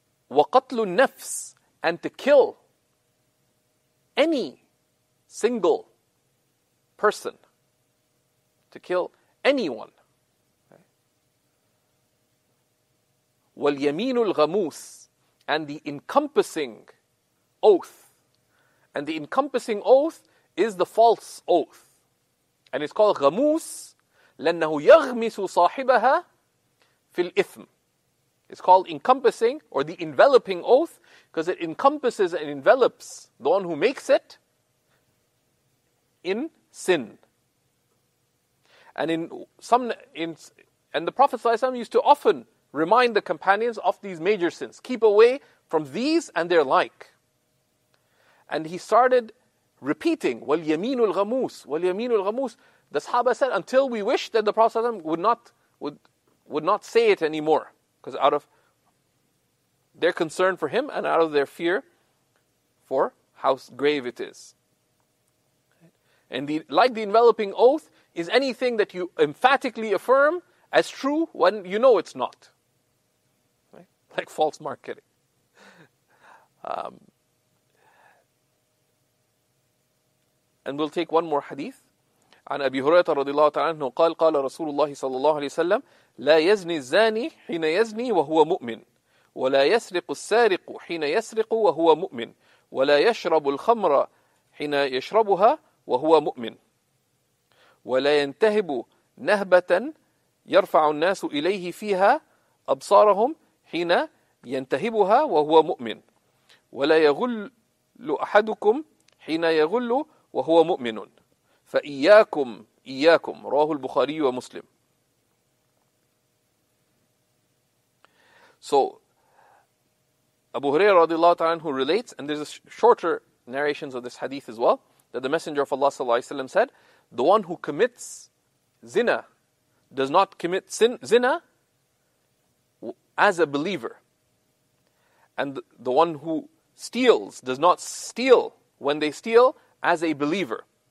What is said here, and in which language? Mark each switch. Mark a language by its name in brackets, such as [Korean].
[Arabic] وَقَتْلُ النَّفْسِ, [English] and to kill any single person, to kill anyone. [Arabic] وَالْيَمِينُ الْغَمُوسِ, [English] and the encompassing oath. And the encompassing oath is the false oath. And it's called [Arabic] غموس لأنه يغمس صاحبها في الإثم. [English] It's called encompassing or the enveloping oath because it encompasses and envelops the one who makes it in sin. And in the Prophet ﷺ used to often remind the companions of these major sins. Keep away from these and their like. And he started repeating, [Arabic] وَالْيَمِينُ الْغَمُوسِ وَالْيَمِينُ الْغَمُوسِ. [English] The Sahaba said, until we wished that the Prophet ﷺ would not say it anymore. Because out of their concern for him and out of their fear for how grave it is. And like the enveloping oath is anything that you emphatically affirm as true when you know it's not. Right? Like false marketing. And we'll take one more hadith. [Arabic] عن أبي هريرة رضي الله تعالى عنه قال قال رسول الله صلى الله عليه وسلم لا يزني الزاني حين يزني وهو مؤمن ولا يسرق السارق حين يسرق وهو مؤمن ولا يشرب الخمر حين يشربها وهو مؤمن ولا ينتهب نهبة يرفع الناس إليه فيها أبصارهم حين ينتهبها وهو مؤمن ولا يغل أحدكم حين يغل وهو مؤمن فإياكم إياكم رواه البخاري ومسلم. [English] So Abu Hurairah radiallahu ta'ala anhu relates, and there's a shorter narrations of this hadith as well, that the Messenger of Allah sallallahu alaihi wasallam said, the one who commits zina does not commit zina as a believer, and the one who steals does not steal when they steal as a believer.